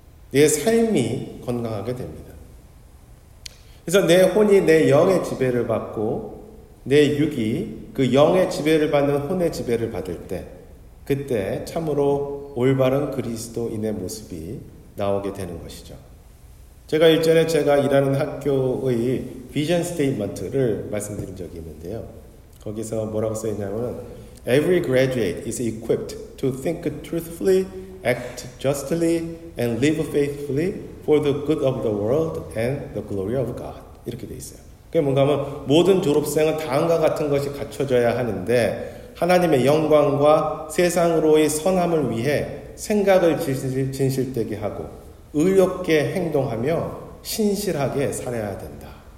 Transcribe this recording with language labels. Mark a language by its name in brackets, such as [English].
[Korean] 내 삶이 건강하게 됩니다. 그래서 내 혼이 내 영의 지배를 받고 내 육이 그 영의 지배를 받는 혼의 지배를 받을 때 그때 참으로 올바른 그리스도인의 모습이 나오게 되는 것이죠. 제가 일전에 제가 일하는 학교의 비전 스테이트먼트를 말씀드린 적이 있는데요. 거기서 뭐라고 써있냐면 [English] Every graduate is equipped to think truthfully, act justly, and live faithfully for the good of the world and the glory of God. [Korean] 이렇게 돼 있어요. 그게 뭔가 하면 모든 졸업생은 다음과 같은 것이 갖춰져야 하는데 하나님의 영광과 세상으로의 선함을 위해 생각을 진실되게 하고 의롭게 행동하며 신실하게 살아야 된다.